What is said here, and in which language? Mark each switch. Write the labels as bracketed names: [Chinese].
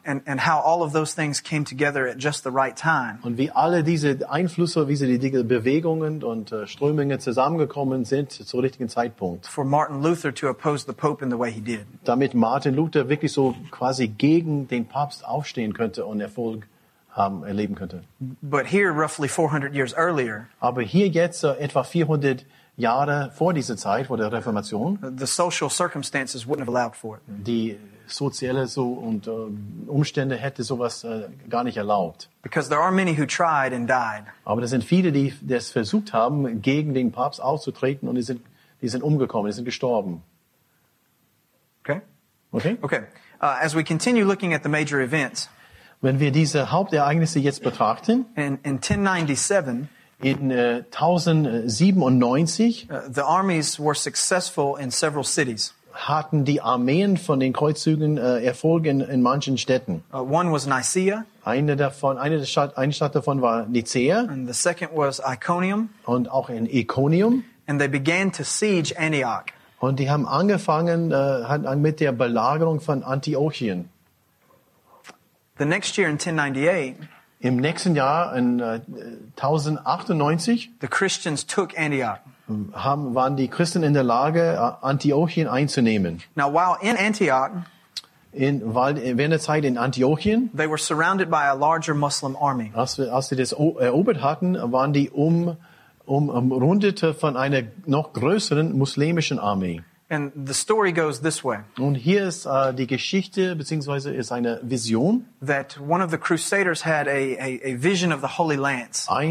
[English] And how all of those things came together at just the right time. [German] Und wie alle diese Einflüsse, wie sie die Dinge, Bewegungen und Strömungen zusammengekommen sind zum richtigen Zeitpunkt. [English] For Martin Luther to oppose the Pope in the way he did. [German] Damit Martin Luther wirklich so quasi gegen den Papst aufstehen könnte und Erfolg erleben könnte. [English] But here, roughly 400 years earlier. [German] Aber hier jetzt etwa 400 Jahre vor dieser Zeit, vor der Reformation, [English] the social circumstances wouldn't have allowed for it. [German] Die soziale so und Umstände hätte sowas gar nicht erlaubt. [English] Because there are many who tried and died. [German] Aber es sind viele, die das versucht haben, gegen den Papst auszutreten, und die sind umgekommen, die sind gestorben. [English] Okay. As we continue looking at the major events, [German] wenn wir diese Hauptereignisse jetzt betrachten, [English] in 1097. [German] In 1097 [English] the armies were successful in several cities. [German] Hatten die Armeen von den Kreuzzügen Erfolg in manchen Städten. [English] One was Nicaea. [German] Eine Stadt davon war Nicaea. [English] And the second was Iconium. [German] Und auch in Iconium. [English] And they began to siege Antioch. [German] Und die haben angefangen mit der Belagerung von Antiochien. [English] The next year in 1098. [German] Im nächsten Jahr, in 1098, [English] the Christians took Antioch. [German] Waren die Christen in der Lage, Antiochien einzunehmen. [English] Now, while in Antioch, [German] während der Zeit in Antiochien, [English] they were surrounded by a larger Muslim army. [German] Als sie das erobert hatten, waren die umrundet von einer noch größeren muslimischen Armee. [English] And the story goes this way. [German] Und hier ist die Geschichte beziehungsweise ist eine Vision. [English] That one of the Crusaders had a vision of the Holy Lance.